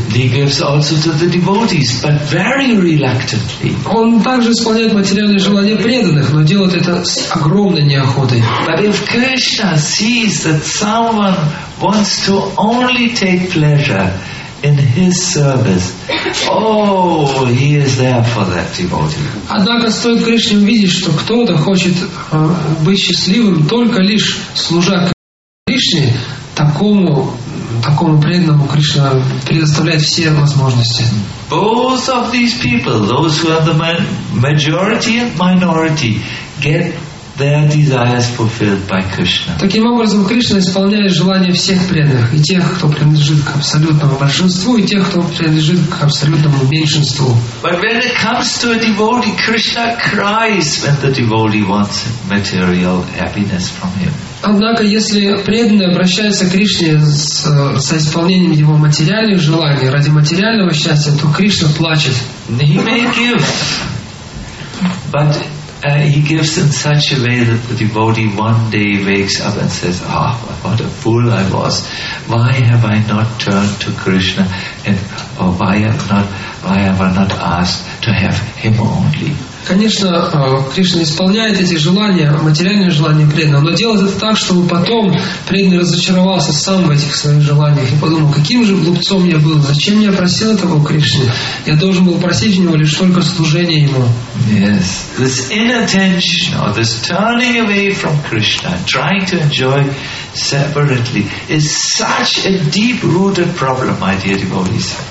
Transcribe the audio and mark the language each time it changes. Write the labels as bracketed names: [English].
[English] He gives also to the devotees, but very reluctantly. [Russian] Он также исполняет материальные желания преданных, но делает это с огромной неохотой. [English] But if Krishna sees that someone wants to only take pleasure in his service, oh, he is there for that devotee. [Russian] Однако стоит Кришне увидеть, что кто-то хочет быть счастливым только лишь служа Кришне, такому преданному Кришна предоставляет все возможности. [English] Both of these people, those who are the majority and minority, get their desires fulfilled by Krishna. [Russian] Таким образом, Кришна исполняет желания всех преданных, и тех, кто принадлежит к абсолютному большинству, и тех, кто принадлежит к абсолютному меньшинству. [English] But when it comes to a devotee, Krishna cries when the devotee wants material happiness from him. [Russian] Однако, если преданный обращается к Кришне со исполнением его материальных желаний ради материального счастья, то Кришна плачет. [English] He may give, but He gives in such a way that the devotee one day wakes up and says, "Ah, what a fool I was! Why have I not turned to Krishna, and or why have I not asked to have him only?" [Russian] Конечно, Кришна исполняет эти желания, материальные желания преданного, но делает это так, чтобы потом преданный разочаровался сам в этих своих желаниях и подумал, каким же глупцом я был, зачем я просил этого у Кришны? Я должен был просить у него лишь только служение ему. [English] Yes. This inattention, or this turning away from Krishna, trying to enjoy separately, is such a deep-rooted problem, my dear devotees.